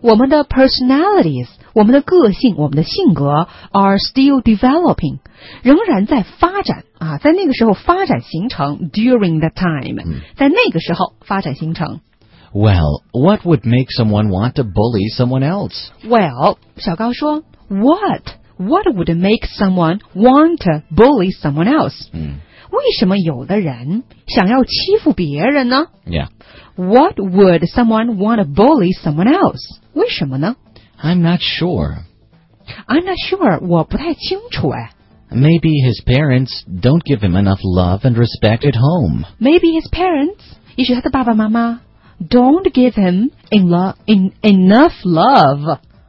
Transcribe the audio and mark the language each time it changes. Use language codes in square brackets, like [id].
[zh] 我们的 personalities, 我们的个性我们的性格 [en] are still developing, [zh] 仍然在发展啊，在那个时候发展形成 [en] during that time,、 [zh] mm. 在那个时候发展形成。 [en] Well, what would make someone want to bully someone else? Well, [zh] 小高说 [en] what would make someone want to bully someone else?、 Mm. [zh] 为什么有的人想要欺负别人呢 [en] Yeah. What would someone want to bully someone else? [zh] 为什么呢 [en] I'm not sure. I'm not sure. [zh] 我不太清楚哎。 [en] Maybe his parents don't give him enough love and respect at home. Maybe his parents, [zh] 也许他的爸爸妈妈 [en] don't give him enough love.